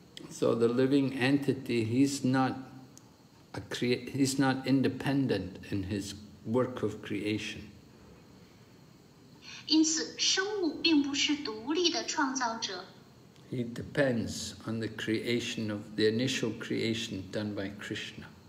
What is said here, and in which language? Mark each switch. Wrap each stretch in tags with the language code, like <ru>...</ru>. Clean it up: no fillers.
<en>So the living entity, he's not independent in his work of creation.</en> <zh>因此，生物并不是独立的创造者。</zh> <en>He depends on the creation of the initial creation done by Krishna.</en>